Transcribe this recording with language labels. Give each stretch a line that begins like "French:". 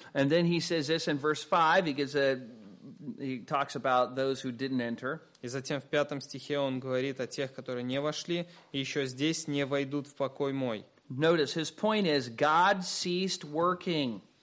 English: And then he says this in verse 5, he talks about those who didn't enter.
Russian: И затем в пятом стихе он говорит о тех, которые не вошли, и еще здесь не войдут в покой мой.
English: Notice, his point is, God ceased working.